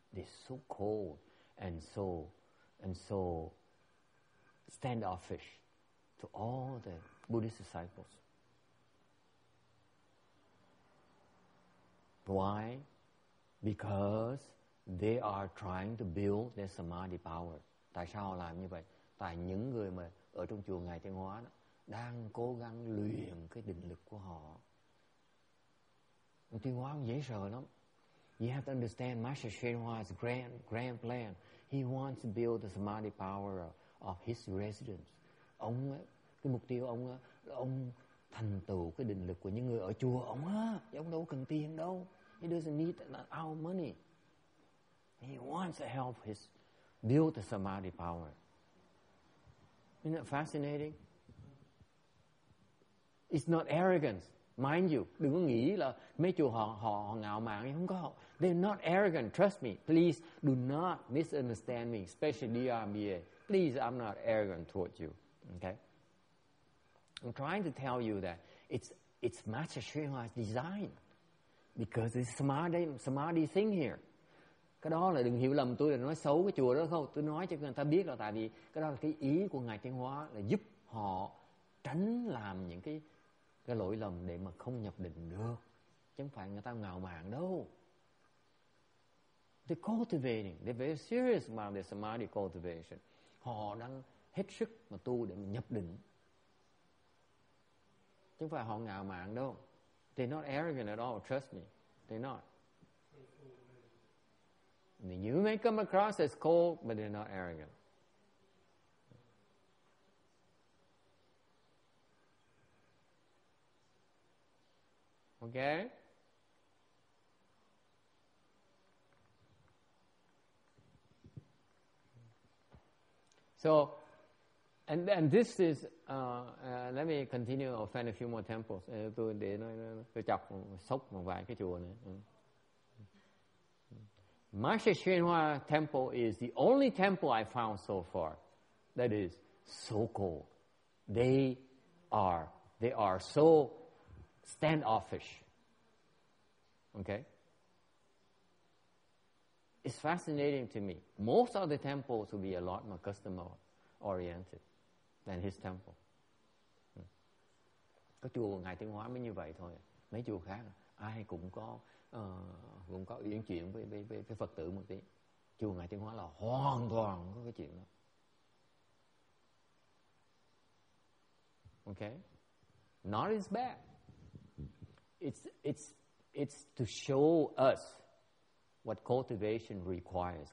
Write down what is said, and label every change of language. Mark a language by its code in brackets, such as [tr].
[en] They're so cold and so standoffish to all the Buddhist disciples. Why? Because they are trying to build their samadhi power. [vi] Tại sao họ làm như vậy? Tại những người mà ở trong chùa Ngài Thiên Hóa đó, đang cố gắng luyện cái định lực của họ. Thiên Hóa cũng dễ sợ lắm. [en] You have to understand Master Shenhua's grand plan. He wants to build the samadhi power of his residents. [vi] Ông ấy, cái mục tiêu ông ấy, là ông thành tựu cái định lực của những người ở chùa ông á. Ông đâu cần tiền đâu. [en] He doesn't need our money. He wants to help his build the samadhi power. Isn't that fascinating? It's not arrogance, mind you. [vi] Đừng có nghĩ là mấy chùa họ ngạo mạn, không có. [en] They're not arrogant. Trust me. Please do not misunderstand me, especially DRBA. Please, I'm not arrogant towards you. Okay. I'm trying to tell you that it's Master Shenhua's design, because it's samadhi thing here. [vi] Cái đó là đừng hiểu lầm tôi là nói xấu cái chùa đó không. Tôi nói cho người ta biết là tại vì cái đó là cái ý của Ngài Thiên Hóa là giúp họ tránh làm những cái lỗi lầm để mà không nhập định được. Chứ không phải người ta ngạo mạn đâu. [en] They're cultivating. They're very serious about their samadhi cultivation. [vi] Họ đang hết sức mà tu để mà nhập định. Chứ không phải họ ngạo mạn đâu. [en] They're not arrogant at all. Trust me. They're not. You may come across as cold, but they're not arrogant. Okay? So, and this is, let me continue, I'll find a few more temples. [vi] Tôi để nó chọc, sốc một vài cái chùa này. [en] Master Shenhua Temple is the only temple I found so far that is so cold. They are so standoffish. Okay? It's fascinating to me. Most of the temples will be a lot more customer oriented than his temple. [vi] Có chùa Ngài Thiên Hóa mới như vậy thôi. Mấy chùa khác ai cũng có cũng có uyển chuyển với Phật tử một tí. Chùa Ngài Thiên Hóa là hoàn toàn có cái chuyện đó. [en] Okay? Not as bad. It's to show us what cultivation requires.